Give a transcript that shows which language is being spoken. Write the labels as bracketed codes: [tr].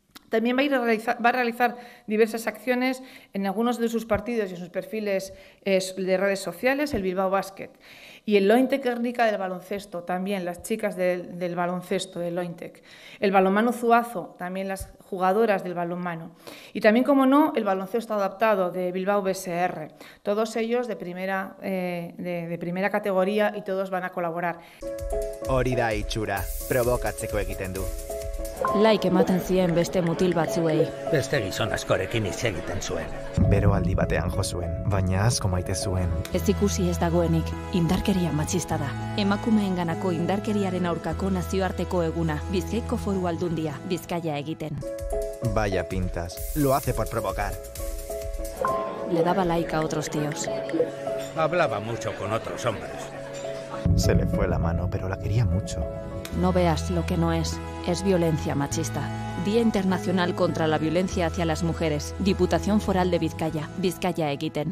[es] También va a realizar diversas acciones en algunos de sus partidos y en sus perfiles de redes sociales, el Bilbao Basket y el Lointec Gernika del baloncesto, también las chicas del baloncesto del Lointec. El balonmano Zuazo, también las jugadoras del balonmano. Y también, como no, el baloncesto adaptado de Bilbao BSR. Todos ellos de primera categoría y todos van a colaborar. [eu] Hori da itxura, provokatzeko egiten du. Laik ematen zien beste mutil batzuei. Beste gizon askorekin hitz egiten zuen. Bero aldi batean jo zuen, baina asko maite zuen. Ez ikusi ez dagoenik, indarkeria matxista da. Emakumeenganako indarkeriaren aurkako nazioarteko eguna, Bizkaiko Foru Aldundia, Bizkaia egiten. [es] Vaya pintas, lo hace por provocar. Le daba like a otros tíos. Hablaba mucho con otros hombres. Se le fue la mano, pero la quería mucho. No veas lo que no es. Es violencia machista. Día Internacional contra la Violencia hacia las Mujeres. Diputación Foral de Vizcaya. Vizcaya Egiten.